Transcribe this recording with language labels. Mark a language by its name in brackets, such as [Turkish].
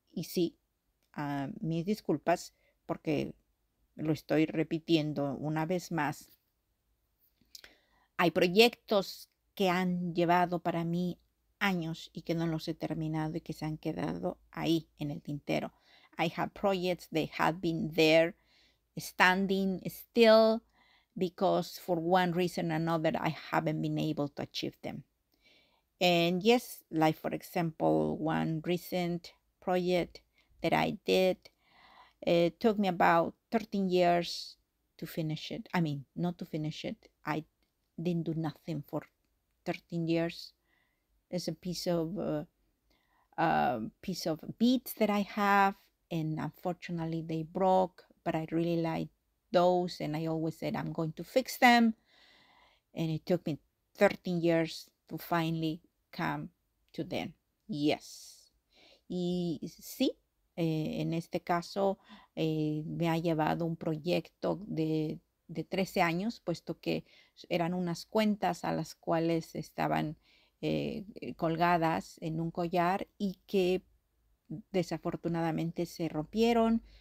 [Spanish] Y sí, mis disculpas porque lo estoy repitiendo una vez más. Hay proyectos que han llevado para mí años y que no los he terminado y que se han quedado ahí en el tintero. [English] I have projects that have been there standing still because for one reason or another I haven't been able to achieve them. And yes, like for example, one recent project that I did, it took me about 13 years to finish it. I mean, not to finish it. I didn't do nothing for 13 years. It's a piece of beads that I have, and unfortunately they broke, but I really liked those and I always said I'm going to fix them. And it took me 13 years to finally come to them. Yes. [Spanish] Y sí, en este caso me ha llevado un proyecto de 13 años, puesto que eran unas cuentas a las cuales estaban colgadas en un collar y que desafortunadamente se rompieron.